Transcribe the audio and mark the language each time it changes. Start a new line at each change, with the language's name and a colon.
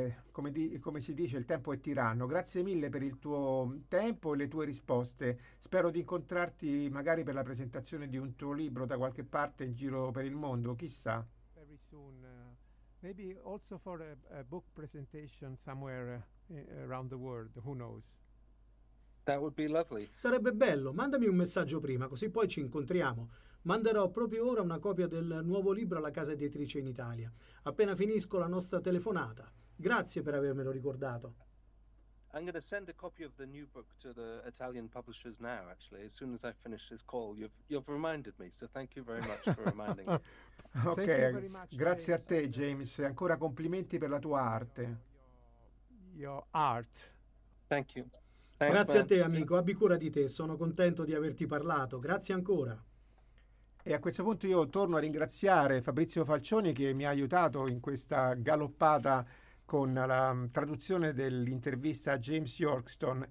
Italian: Come si dice, il tempo è tiranno. Grazie mille per il tuo tempo e le tue risposte. Spero di incontrarti magari per la presentazione di un tuo libro da qualche parte in giro per il mondo, chissà.
English: Very soon, maybe also for a book presentation somewhere around the world, who knows. That would be lovely.
Italian: Sarebbe bello. Mandami un messaggio prima, così poi ci incontriamo. Manderò proprio ora una copia del nuovo libro alla casa editrice in Italia, appena finisco la nostra telefonata. Grazie per avermelo ricordato.
English: I'm going to send a copy of the new book to the Italian publishers now, actually, as soon as I finish this call. You've reminded me, so thank you very much for reminding me.
Italian: Ok, grazie a te, James, e ancora complimenti per la tua arte.
English: Your art. Thank you.
Italian: Grazie a te, amico. Abbi cura di te. Sono contento di averti parlato. Grazie ancora. E a questo punto io torno a ringraziare Fabrizio Falcioni, che mi ha aiutato in questa galoppata con la traduzione dell'intervista a James Yorkston.